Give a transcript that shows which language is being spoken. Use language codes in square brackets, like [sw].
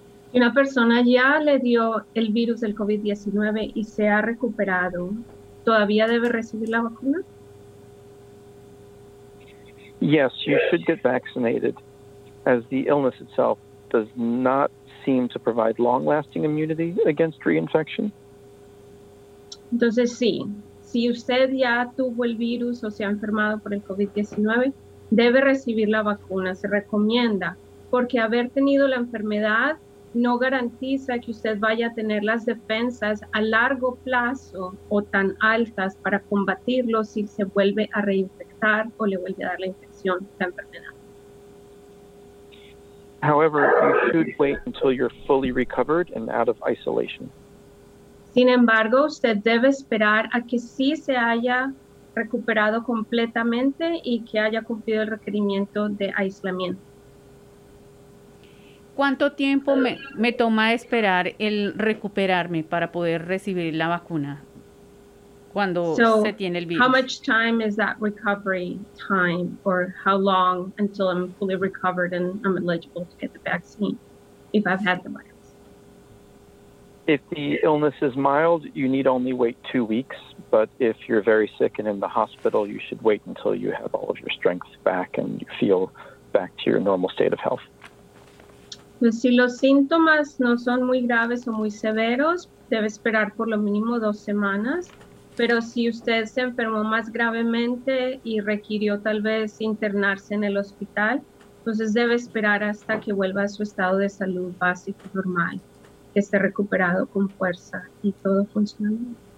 [es] Si una persona ya le dio el virus del COVID-19 y se ha recuperado, ¿todavía debe recibir la vacuna? [en] Yes, you should get vaccinated, as the illness itself does not seem to provide long-lasting immunity against reinfection. [es] Entonces, sí. Si usted ya tuvo el virus o se ha enfermado por el COVID-19, debe recibir la vacuna, se recomienda, porque haber tenido la enfermedad no garantiza que usted vaya a tener las defensas a largo plazo o tan altas para combatirlo si se vuelve a reinfectar o le vuelve a dar la infección, la enfermedad. [en] However, you should wait until you're fully recovered and out of isolation. [es] Sin embargo, usted debe esperar a que sí se haya recuperado completamente y que haya cumplido el requerimiento de aislamiento. ¿Cuánto tiempo me toma esperar el recuperarme para poder recibir la vacuna cuando se tiene el virus? [en] How much time is that recovery time, or how long until I'm fully recovered and I'm eligible to get the vaccine if I've had the virus? If the illness is mild, you need only wait 2 weeks. But if you're very sick and in the hospital, you should wait until you have all of your strength back and you feel back to your normal state of health. [es] Pues si los síntomas no son muy graves o muy severos, debe esperar por lo mínimo 2 semanas. Pero si usted se enfermó más gravemente y requirió tal vez internarse en el hospital, entonces debe esperar hasta que vuelva a su estado de salud básico normal, que esté recuperado con fuerza y todo funcionando.